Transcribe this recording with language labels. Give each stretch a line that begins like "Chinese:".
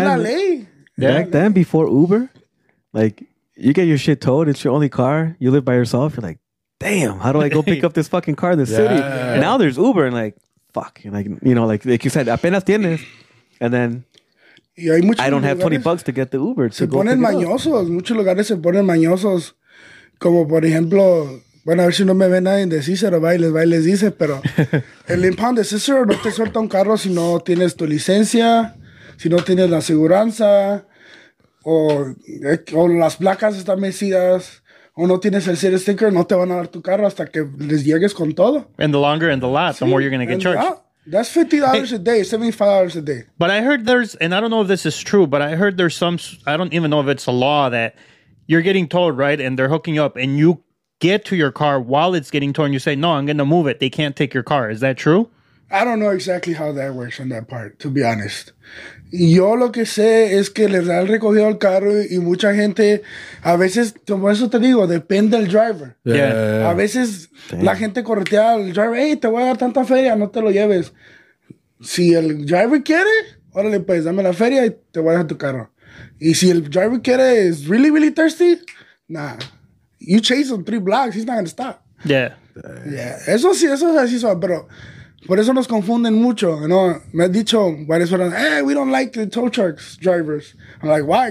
Spanish: es la ley.
English: Yeah. Back then, before Uber, like, you get your shit towed, it's your only car, you live by yourself, you're like, damn, how do I go pick up this fucking car in the city? Yeah. Now there's Uber, and like, fuck, like you said,
Spanish: apenas tienes,
English: and then
Spanish: y hay muchos
English: I don't have $20 to get the Uber.
Spanish: Se ponen mañosos, muchos lugares se ponen mañosos, como por ejemplo, bueno, a ver si no me ve nadie de Cicero, bailes dice, pero el impound de Cicero no te suelta un carro si no tienes tu licencia, si no tienes la aseguranza, o las placas están vencidas. O no tienes el serial sticker, no te van a dar tu carro hasta que les llegues con todo.
English: And the longer in the lot, the more you're going to get charged. That's $50 a day, $75 a day. But I heard there's, and I don't know if this is true, but I heard there's some, I don't even know if it's a law that you're getting towed, right? And they're hooking you up and you get to your car while it's getting towed and you say, no, I'm going to move it. They can't take your car. Is that true? I don't know exactly how that works on that part, to be honest.
Spanish: Yo lo que sé es que les han recogido el carro y mucha gente, a veces, como eso te digo, depende del driver.
English: Yeah.
Spanish: A veces la gente corretea al driver, hey, te voy a dar tanta feria, no te lo lleves. Si el driver quiere, órale pues, dame la feria y te voy a dejar tu carro. Y si el driver quiere,
English: is really, really thirsty, nah. You chase him 3 blocks, he's not going to stop. Yeah.
Spanish: Yeah. Eso es así, pero... Por eso nos confunden mucho, you know. Me han dicho varias personas,
English: hey, we don't like the tow trucks drivers. I'm like, why?